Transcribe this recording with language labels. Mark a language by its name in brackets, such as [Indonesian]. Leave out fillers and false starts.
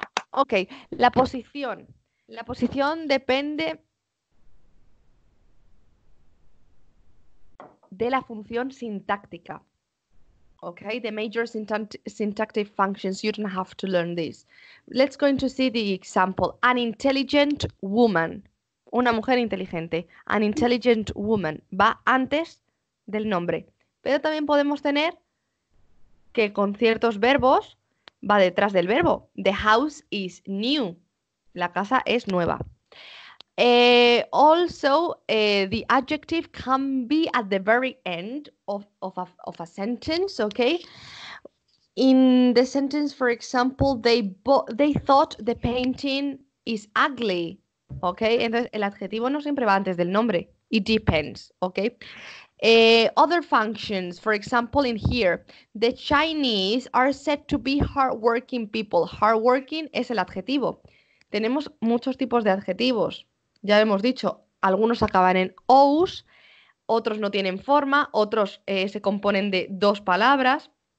[Spanish] Okay, la posición. La posición depende de la función sintáctica. [English] Okay, the major syntactic functions. You don't have to learn this. Let's going to see the example. An intelligent woman. [Spanish] Una mujer inteligente. [English] An intelligent woman. [Spanish] Va antes del nombre. Pero también podemos tener que con ciertos verbos va detrás del verbo. [English] The house is new. [Spanish] La casa es nueva. [English] Also, the adjective can be at the very end of a sentence, okay? In the sentence, for example, they thought the painting is ugly, okay? [Spanish] Entonces, el adjetivo no siempre va antes del nombre. [English] It depends, okay? Other functions, for example, in here, the Chinese are said to be hardworking people. [Spanish] Hardworking es el adjetivo. Tenemos muchos tipos de adjetivos. Ya hemos dicho, algunos acaban en ous, otros no tienen forma, otros se componen de dos palabras.